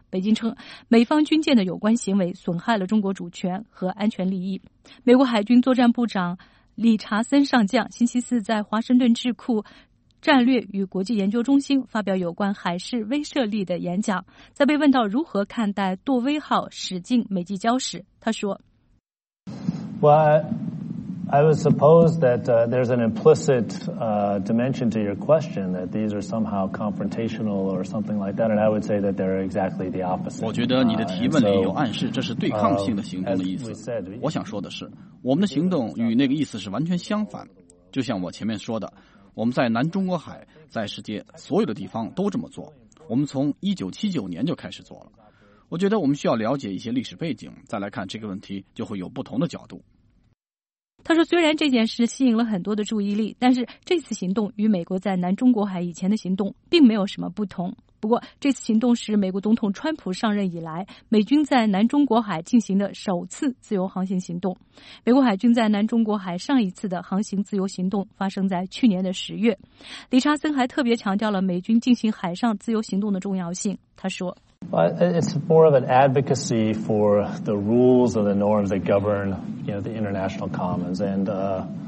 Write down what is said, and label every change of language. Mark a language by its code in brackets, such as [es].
[zh] 北京称，美方军舰的有关行为损害了中国主权和安全利益。美国海军作战部长理查森上将星期四在华盛顿智库战略与国际研究中心发表有关海事威慑力的演讲，在被问到如何看待杜威号驶进美济礁时，他说 [en] ：“Well, I would suppose that there's an implicit dimension to your question that these are somehow confrontational or something like that, and I would say that they're exactly the opposite。 [zh] 我觉得你的提问里有暗示，这是对抗性的行动的意思。我想说的是，我们的行动与那个意思是完全相反。就像我前面说的。” 我们在南中国海，在世界所有的地方都这么做，我们从1979年就开始做了。我觉得我们需要了解一些历史背景，再来看这个问题，就会有不同的角度。他说，虽然这件事吸引了很多的注意力，但是这次行动与美国在南中国海以前的行动并没有什么不同。不过，这次行动是美国总统川普上任以来，美军在南中国海进行的首次自由航行行动。美国海军在南中国海上一次的航行自由行动发生在去年的十月。理查森还特别强调了美军进行海上自由行动的重要性。他说 [en] ：“It's more of an advocacy for the rules or the norms that govern, you know, the international commons and the.”